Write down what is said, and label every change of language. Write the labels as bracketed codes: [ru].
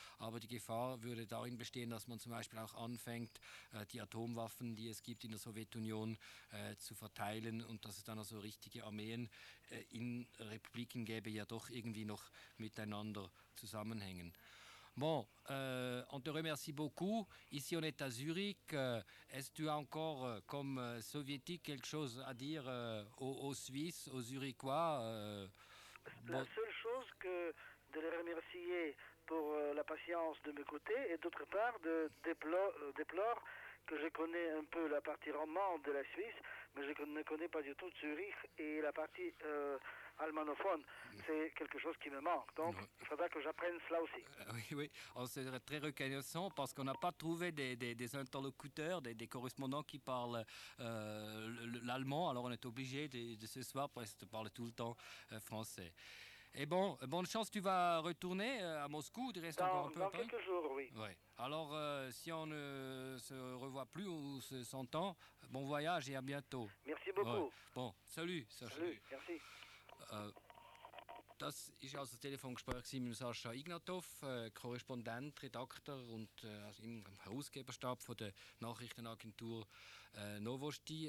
[de] Aber die Gefahr würde darin bestehen, dass man zum Beispiel auch anfängt, die Atomwaffen, die es gibt in der Sowjetunion, zu verteilen, und dass es dann also richtige Armeen in Republiken gäbe, ja doch irgendwie noch miteinander zusammenhängen. [fr] Bon, on te remercie beaucoup. Ici, on est à Zurich. Est-ce que tu as encore, comme soviétique, quelque chose à dire aux Suisses, aux Zurichois? La seule chose que de les remercier pour la patience de m'écouter, et d'autre part de déplorer que je connais un peu la partie romande de la Suisse, mais je ne connais pas du tout Zurich et la partie allemandophone. C'est quelque chose qui me manque. Donc, il faudra que j'apprenne cela aussi. Oui, on serait très reconnaissant parce qu'on n'a pas trouvé des interlocuteurs, des correspondants qui parlent l'allemand. Alors, on est obligé de ce soir parce qu'on parle tout le temps français. Et bon, bonne chance, tu vas retourner à Moscou, tu restes encore un peu dans après. Dans quelques jours, oui. Ouais. Alors, si on ne se revoit plus ou se s'entend, bon voyage et à bientôt. Merci beaucoup. Ouais. Bon, salut, Sacha. Salut, merci. [de] Das ist also das Telefongespräch mit Sascha Ignatow, Korrespondent, Redakteur und im Herausgeberstab von der Nachrichtenagentur Novosti.